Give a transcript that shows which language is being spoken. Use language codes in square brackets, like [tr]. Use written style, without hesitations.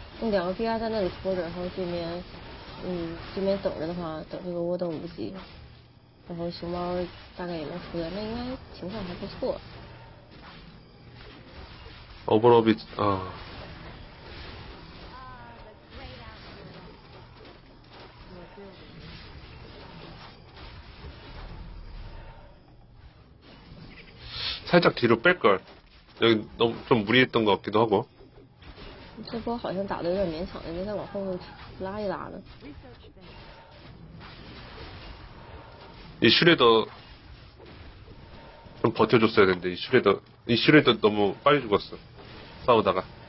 [zh] 两个 BR 在那里拖着，然后这边等着的话，等这个窝等五级，然后熊猫大概也能出来，那应该情况还不错。 [ko] 오버로비아살짝뒤로뺄걸여기너무좀무리했던것같기도하고 [zh] 这波好像打得有点勉强应该再往后面拉一拉的 [ko] 이슈레더좀버텨줬어야되는데이슈레더너무빨리죽었어싸우다가